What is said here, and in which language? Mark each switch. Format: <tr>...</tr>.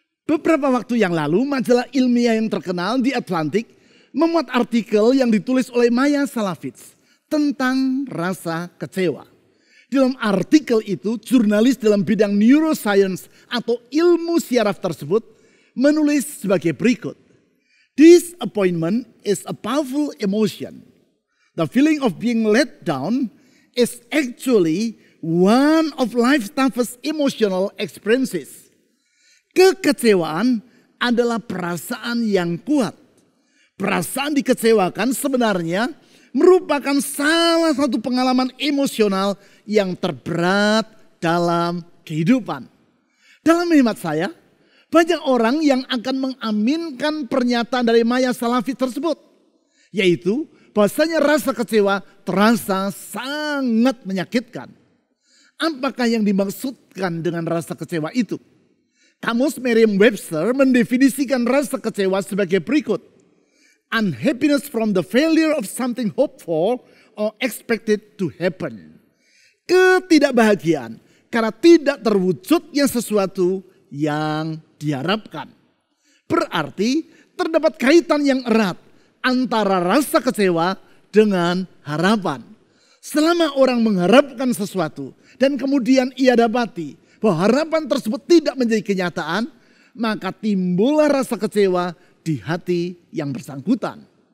<id>Beberapa waktu yang lalu, majalah ilmiah yang terkenal di Atlantik memuat artikel yang ditulis oleh Maya Salavitz tentang rasa kecewa. Dalam artikel itu, jurnalis dalam bidang neuroscience atau ilmu syaraf tersebut menulis sebagai berikut.</id> <en>Disappointment is a powerful emotion. The feeling of being let down is actually one of life's toughest emotional experiences.</en> <id>Kekecewaan adalah perasaan yang kuat. Perasaan dikecewakan sebenarnya merupakan salah satu pengalaman emosional yang terberat dalam kehidupan. Dalam hemat saya, banyak orang yang akan mengaminkan pernyataan dari Maya Salavitz tersebut, yaitu bahwasanya rasa kecewa terasa sangat menyakitkan. Apakah yang dimaksudkan dengan rasa kecewa itu? Kamus Merriam-Webster mendefinisikan rasa kecewa sebagai berikut.</id> <en>Unhappiness from the failure of something hoped for or expected to happen.</en> <id>Ketidakbahagiaan karena tidak terwujudnya sesuatu yang diharapkan. Berarti terdapat kaitan yang erat antara rasa kecewa dengan harapan. Selama orang mengharapkan sesuatu dan kemudian ia dapati bahwa harapan tersebut tidak menjadi kenyataan, maka timbullah rasa kecewa di hati yang bersangkutan.</id>